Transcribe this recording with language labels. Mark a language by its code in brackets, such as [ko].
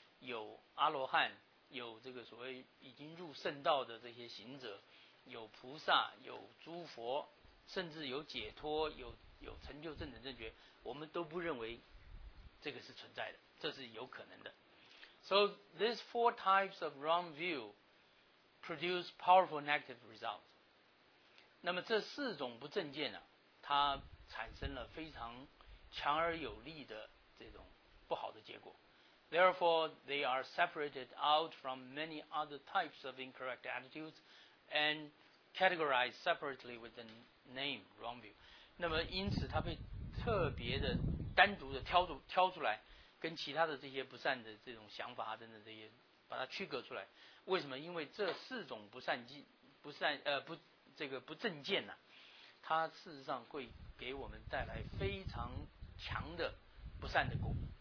[zh] 有阿罗汉，有这个所谓已经入圣道的这些行者，有菩萨，有诸佛，甚至有解脱，有成就正等正觉，我们都不认为这个是存在的，这是有可能的。 [en] So these four types of wrong view produce powerful negative results. [zh] 那么这四种不正见呢、啊，它产生了非常强而有力的这种不好的结果。 [en] Therefore, they are separated out from many other types of incorrect attitudes and categorized separately with the name wrong view. [zh] 那么因此它被特别的单独的挑出来，跟其他的这些不善的这种想法等等这些把它区隔出来。为什么？因为这四种不正见呢、啊，它事实上会给我们带来非常强的不善的果。